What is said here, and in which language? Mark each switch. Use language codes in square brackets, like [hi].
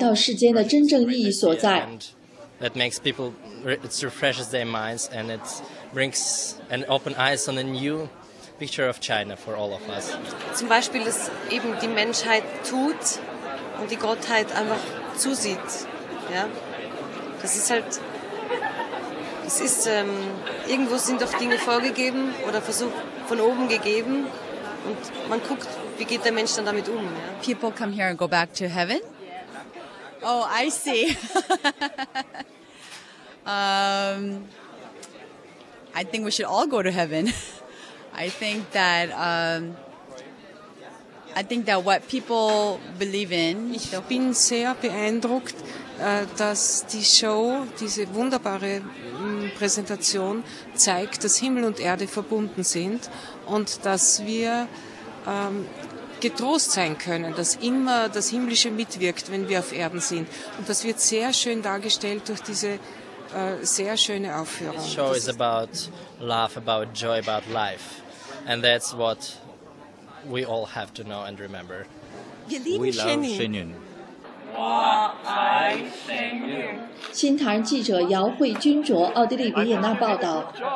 [zh] 神韵的演出让人们的心灵得到洗涤与升华，人们感到神的存在与神佛的慈悲，感悟到人来到世间的真正意义所在。 [en] That makes people, it refreshes their minds and it brings an open eyes on a new picture of China for all of us. [de] Zum Beispiel, dass eben die Menschheit tut und die Gottheit einfach zusieht. Ja, das ist halt. Es ist, irgendwo sind doch Dinge vorgegeben oder Versuch von oben gegeben und man guckt, wie geht der Mensch dann damit um. Ja? [en] People come here and go back to heaven? Oh, I see. I think we should all go to heaven. I think that what people believe in. [de] Ich bin sehr beeindruckt, dass die Show, diese wunderbare Präsentation zeigt, dass Himmel und Erde verbunden sind und dass wir getrost sein können, dass immer das Himmlische mitwirkt, wenn wir auf Erden sind. Und das wird sehr schön dargestellt durch diese sehr schöne Aufführung. [en] The show is about love, about joy, about life. And that's what we all have to know and remember. [de] Wir lieben Shenyun. [zh] 新唐记者姚慧君卓，奥地利维也纳报道。